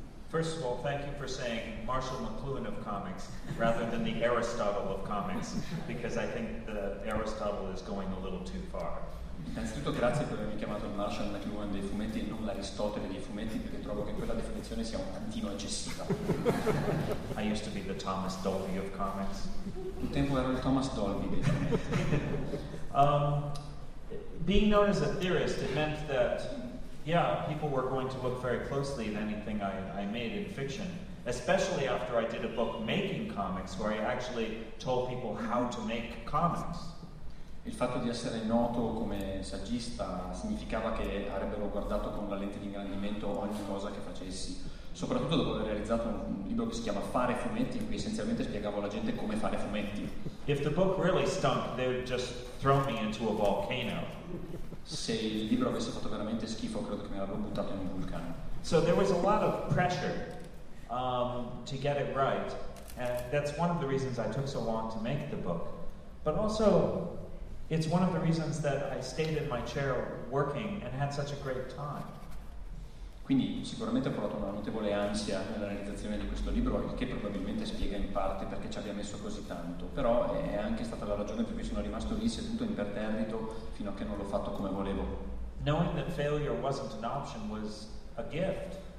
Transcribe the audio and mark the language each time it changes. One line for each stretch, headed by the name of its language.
English: First of all, thank you for saying Marshall McLuhan of comics rather than the Aristotle of comics, because I think the Aristotle is going a little too far. That's
Italian: innanzitutto grazie per avermi chiamato il Marshall McLuhan dei fumetti e non l'Aristotele dei fumetti, perché trovo che quella definizione sia un tantino eccessiva.
English: I used to be the Thomas Dolby of comics.
Italian: Un tempo ero il Thomas Dolby dei fumetti.
English: Being known as a theorist, it meant that, yeah, people were going to look very closely at anything I made in fiction, especially after I did a book making comics, where I actually told people how to make comics.
Italian: Il fatto di essere noto come saggista significava che avrebbero guardato con la lente di ingrandimento ogni cosa che facessi, soprattutto dopo aver realizzato un libro che si chiama Fare fumetti, in cui essenzialmente spiegavo alla gente come fare fumetti.
English: If the book really stunk, they would just throw me into a volcano.
Italian: Se il libro avesse fatto veramente schifo, credo che mi avrebbero buttato in un vulcano.
English: So there was a lot of pressure to get it right, and that's one of the reasons I took so long to make the book. But also, it's one of the reasons that I stayed in my chair working and had such a great time.
Italian: Quindi sicuramente ho provato una notevole ansia nella realizzazione di questo libro, il che probabilmente spiega in parte perché ci abbia messo così tanto, però è anche stata la ragione per cui sono rimasto lì seduto imperterrito fino a che non l'ho fatto come volevo.
English: Knowing that failure wasn't an option was a gift.